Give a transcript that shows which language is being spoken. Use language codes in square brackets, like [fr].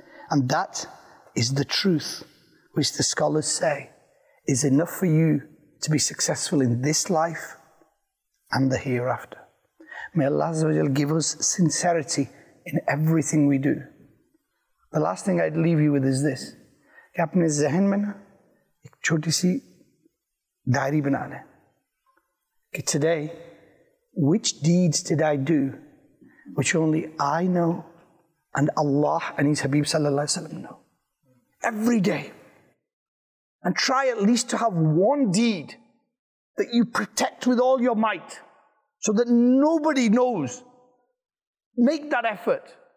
[en] And that is the truth, which the scholars say is enough for you to be successful in this life and the hereafter. May Allah Azza wa Jal give us sincerity in everything we do. The last thing I'd leave you with is this. [ur] کہ اپنے ذہن میں نا ایک چھوٹی سی diary بنا لے۔ [en] Ke today, which deeds did I do which only I know and Allah and His Habib sallallahu alaihi wasallam know? Every day. And try at least to have one deed that you protect with all your might so that nobody knows. Make that effort.